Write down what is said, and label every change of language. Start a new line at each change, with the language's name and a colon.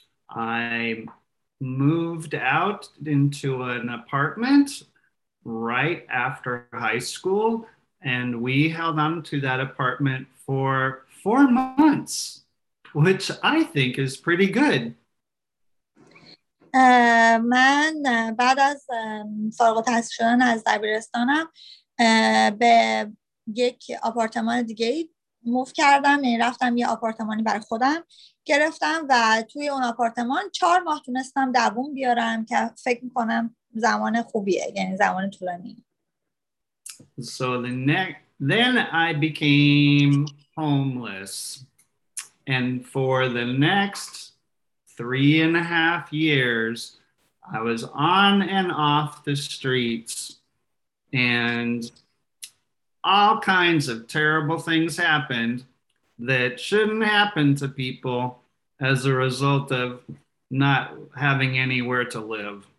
English: I moved out into an apartment right after high school and we held on to that apartment for 4 months, which I think is pretty good.
Persian: من بعد از فارغ التحصیل شدن از دبیرستانم به یک آپارتمان دیگه موو کردم، یعنی رفتم یه آپارتمانی برای خودم گرفتم و توی اون آپارتمان 4 ماه تونستم دووم بیارم که فکر میکنم زمان خوبیه، یعنی زمان طولانی.
English: So then I became homeless and for the next 3.5 years I was on and off the streets and all kinds of terrible things happened that shouldn't happen to people as a result of not having anywhere to live.